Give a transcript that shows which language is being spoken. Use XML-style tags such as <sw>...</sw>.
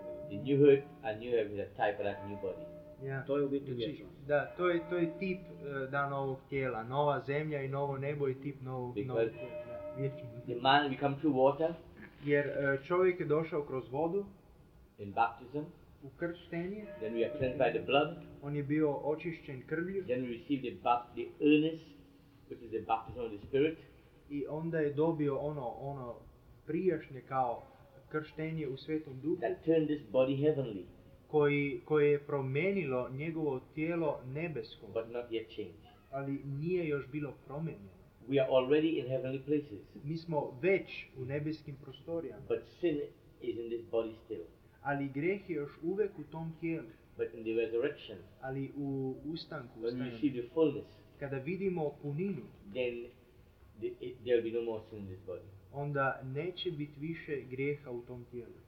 <en>The new earth and new heaven is a type of that new body. Yeah.</en> <sr>To je u biti vječno. Da, to je tip novog tijela. Nova zemlja i novo nebo je tip novog tijela.</sr> <en>Because the man become through water.</en> <sr>Jer čovjek je došao kroz vodu.</sr> <en>In baptism.</en> <sr>U krštenje.</sr> <en>Then we are cleansed by the blood.</en> <sr>On je bio očišćen krvlju.</sr> <en>Then we receive the earnest, which is the baptism of the Spirit.</en> <sr>I onda je dobio ono prijašnje kao krštenje u Svetom Duhu.</sr> <en>That turned this body heavenly.</en> <sr>Koje je promijenilo njegovo tijelo nebesko.</sr> <en>But not yet changed.</en> <sr>Ali nije još bilo promijenjeno.</sr> <en>We are already in heavenly places.</en> <sr>Mi smo već u nebeskim prostorijama.</sr> <en>But sin is in this body still.</en> <sr>Ali greh je još uvek u tom tijelu.</sr> <en>But in the resurrection.</en> <sr>Ali u ustanku.</sr> <en>When we see the fullness.</en> <sr>Kada vidimo puninu.</sr> <en>Then there will be no more sin in this body.</en> <sr>Onda neće biti više greha u tom tijelu.</sr>